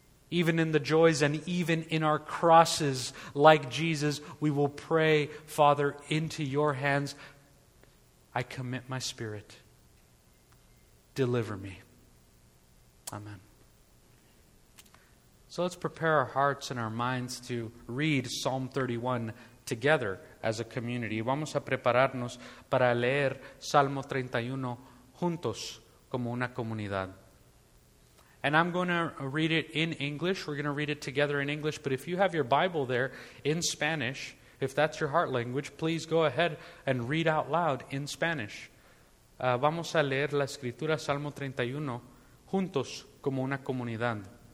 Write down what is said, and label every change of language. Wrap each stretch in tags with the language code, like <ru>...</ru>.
<en>Even in the joys and even in our crosses, like Jesus, we will pray, "Father, into your hands I commit my spirit. Deliver me." Amen. So let's prepare our hearts and our minds to read Psalm 31 together as a community.</en> <es>Vamos a prepararnos para leer Salmo 31 juntos como una comunidad.</es> <en>And I'm going to read it in English. We're going to read it together in English. But if you have your Bible there in Spanish, if that's your heart language, please go ahead and read out loud in Spanish.</en> <es>Vamos a leer la escritura, Salmo 31, juntos como una comunidad.</es>